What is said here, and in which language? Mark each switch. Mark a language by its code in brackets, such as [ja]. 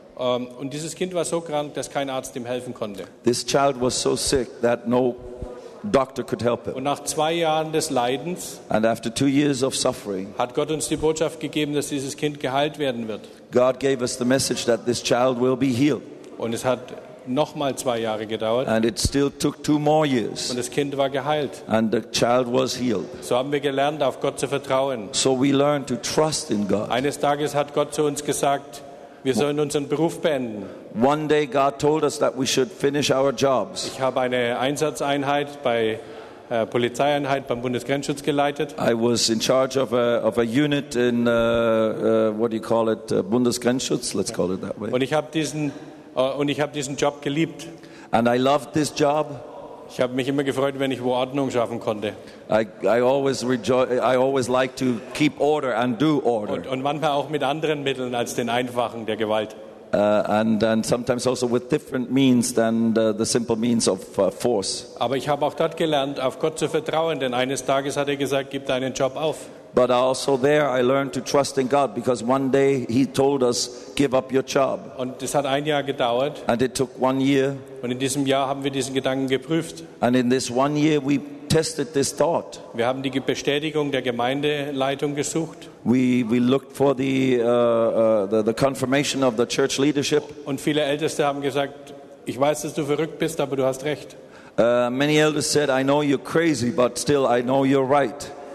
[de] Und dieses Kind war so krank, dass kein Arzt ihm helfen konnte. [en] This child was so sick that no doctor could help it. [de] Und nach zwei Jahren des Leidens, [en] and after 2 years of suffering, [de] hat Gott uns die Botschaft gegeben, dass dieses Kind geheilt werden wird. [en] God gave us the message that this child will be healed. [de] Und es hat noch mal 2 Jahre gedauert. [en] And it still took 2 more years. [de] Und das Kind war geheilt. [en] And the child was healed. [de] So haben wir gelernt, auf Gott zu vertrauen. [en] So we learned to trust in God. [de] Eines Tages hat Gott zu uns gesagt, Wir sollen unseren Beruf beenden. [en] One day God told us that we should finish our jobs. [de] Ich habe eine Einsatzeinheit bei Polizeieinheit beim Bundesgrenzschutz geleitet. [en] I was in charge of a unit in what do you call it, Bundesgrenzschutz, let's call it that way. [de] Und ich habe diesen Job geliebt. [en] And I loved this job. [de] Ich habe mich immer gefreut, wenn ich wo Ordnung schaffen konnte. [en] I always like to keep order and do order. [de] Und manchmal auch mit anderen Mitteln als den einfachen der Gewalt. [en] And sometimes also with different means than the simple means of force. [de] Aber ich habe auch dort gelernt, auf Gott zu vertrauen, denn eines Tages hat er gesagt, gib deinen Job auf. [en] But also there I learned to trust in God because one day he told us, give up your job. [de] Und es hat ein Jahr gedauert. [en] And it took 1 year. [de] Und in diesem Jahr haben wir diesen Gedanken geprüft. [en] And in this 1 year we tested this thought. [de] Wir haben die Bestätigung der Gemeindeleitung gesucht. [en] We looked for the confirmation of the church leadership. [de] Und viele Älteste haben gesagt, ich weiß, dass du verrückt bist, aber du hast recht. [en] Many elders said, I know you're crazy, but still I know you're right.